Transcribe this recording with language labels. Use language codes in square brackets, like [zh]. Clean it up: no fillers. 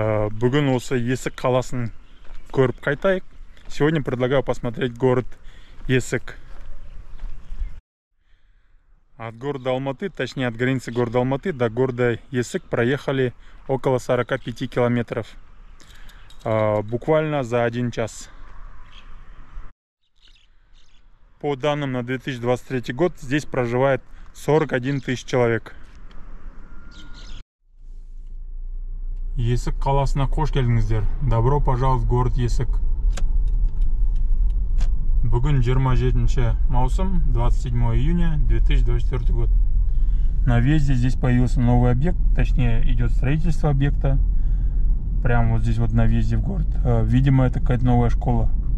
[kk] Бүгін осы Есік қаласын көріп қайтайық. [ru] Сегодня предлагаю посмотреть город Есік. От города Алматы, точнее от границы города Алматы до города Есік проехали около 45 километров. Буквально за один час. По данным на 2023 год здесь проживает 41 тысяч человек. [kk] Есік қаласына қош келдіңіздер. [ru] Добро пожаловать в город Есік. [kk] Бүгін 27 маусым, [ru] 27 июня 2024 год. На въезде здесь появился новый объект, точнее идет строительство объекта. Прямо вот здесь вот на въезде в город. Видимо, это какая-то новая школа.